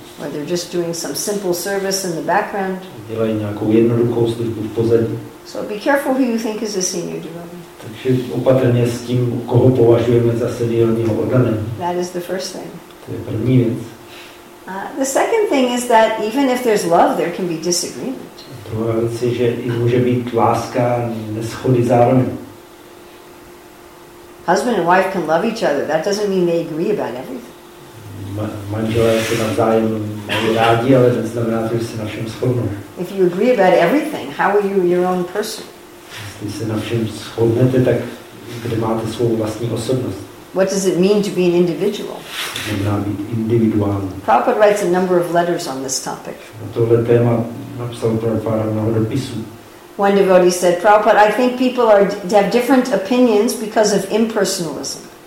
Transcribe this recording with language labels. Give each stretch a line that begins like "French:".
English: Or they're just doing some simple service in the background.
Czech: Dělají nějakou jednoduchou službu v pozadí.
English: So be careful who you think is a senior devotee.
Czech: Takže opatrně s tím, koho považujeme za seniorního oddaného.
English: That is the first thing.
Czech: To je první věc.
English: The second thing is that even if there's love, there can be disagreement.
Czech: Druhá věc je, že i může být láska neschody zároveň.
English: Husband and wife can love each other. That doesn't mean they agree about everything.
Czech: Manželé se navzájem mají rádi, ale to znamená, že se na všem shodnou.
English: If you agree about everything, how are you your own person?
Czech: Jestli se na všem shodnete, tak kde máte svou vlastní osobnost?
English: What does it mean to be an individual?
Czech: Znamená být individuální.
English: Prabhupada writes a number of letters on this topic.
Czech: Na tohle téma napsal Prabhupada mnoho dopisů.
English: One devotee said, Prabhupada, I think people have different opinions because of impersonalism.